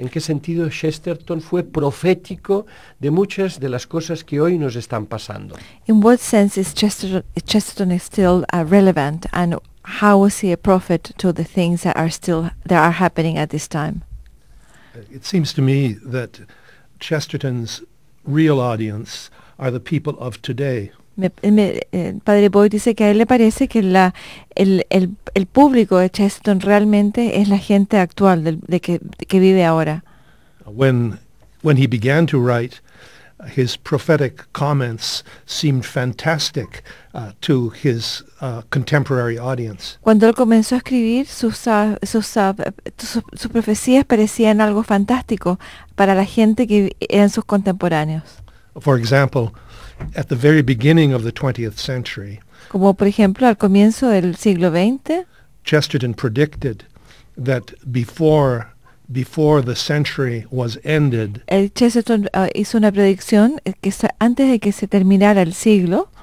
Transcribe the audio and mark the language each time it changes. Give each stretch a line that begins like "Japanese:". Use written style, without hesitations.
Spanish: ¿En qué sentido Chesterton fue profético de muchas de las cosas que hoy nos están pasando?
English: In what sense is Chesterton is still relevant, and how was he a prophet to the things that are still that are happening at this time? It seems to me that Chesterton's real audience are the people of today.
Spanish: Padre Boyd dice que a él le parece que el público de Chesterton realmente es la gente actual de que vive ahora.
English: When he began to write, his prophetic comments seemed fantastic to his contemporary audience.
Spanish: Cuando él comenzó a escribir, sus profecías parecían algo fantástico para la gente que eran sus contemporáneos.
English: For example, at the very beginning of the 20th century,
Spanish: como por ejemplo al comienzo del siglo XX,
English: Chesterton predicted that before the century was ended,
Spanish: Chesterton hizo una predicción que antes de que se terminara el siglo,